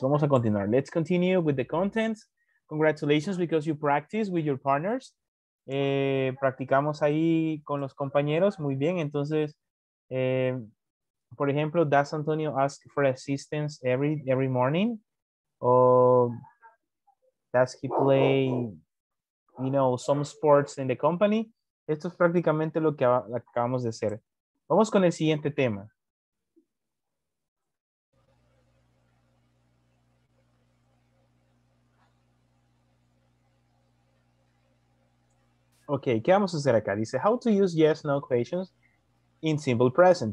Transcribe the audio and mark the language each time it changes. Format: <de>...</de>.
<es>Vamos a continuar.</es> <en>Let's continue with the contents. Congratulations, because you practice with your partners.</en> <es>practicamos ahí con los compañeros. Muy bien, entonces, por ejemplo,</es> <en>¿does Antonio ask for assistance every morning? ¿O does he play, you know, some sports in the company?</en> <es>Esto es prácticamente lo que acabamos de hacer. Vamos con el siguiente tema. Ok, ¿qué vamos a hacer acá? Dice,</es> <en>how to use yes, no questions in simple present.</en>